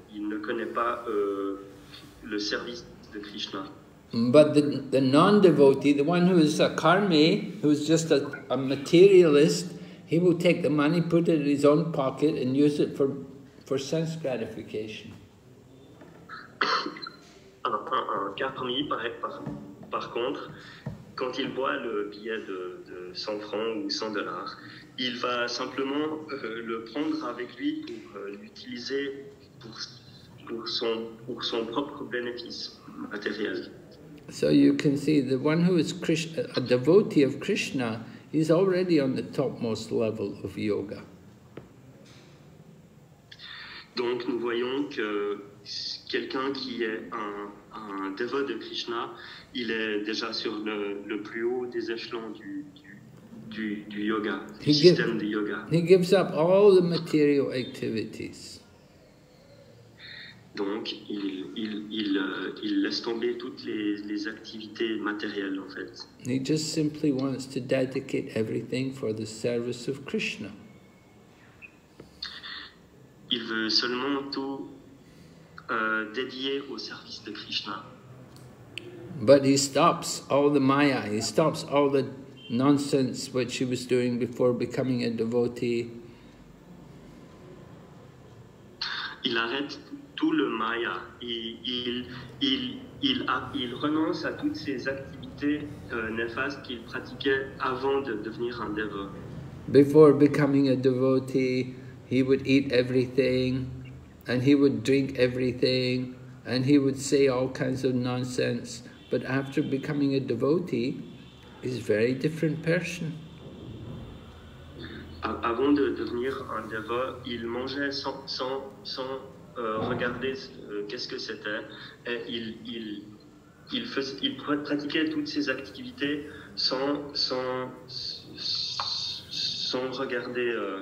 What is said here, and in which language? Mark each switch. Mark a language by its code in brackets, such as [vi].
[fr] Il ne connaît pas le service de Krishna. [en] But the non-devotee, the one who is a karmi, who is just a materialist, he will take the money, put it in his own pocket and use it for sense gratification. [fr] Un karmi, par contre, quand il voit le billet de 100 francs ou 100 dollars, il va simplement le prendre avec lui pour l'utiliser pour son propre bénéfice matériel. [en] So you can see the one who is Krishna, a devotee of Krishna, is already on the topmost level of yoga. [fr] Donc nous voyons que quelqu'un qui est un dévot de Krishna, il est déjà sur le plus haut des échelons du yoga, du système de yoga. [en] He gives up all the material activities. [fr] Donc, il laisse tomber toutes les activités matérielles, en fait. [en] He just simply wants to dedicate everything for the service of Krishna. [fr] Il veut seulement tout dédié au service de Krishna. [en] But he stops all the maya, he stops all the nonsense which he was doing before becoming a devotee. [fr] Il arrête tout le maya, il renonce à toutes ses activités néfastes qu'il pratiquait avant de devenir un devot. [en] Before becoming a devotee, he would eat everything, and he would drink everything, and he would say all kinds of nonsense. But after becoming a devotee, he's a very different person. [fr] Avant de devenir un devot, il mangeait sans regarder qu'est-ce que c'était. Et il pratiquait toutes ses activités sans regarder.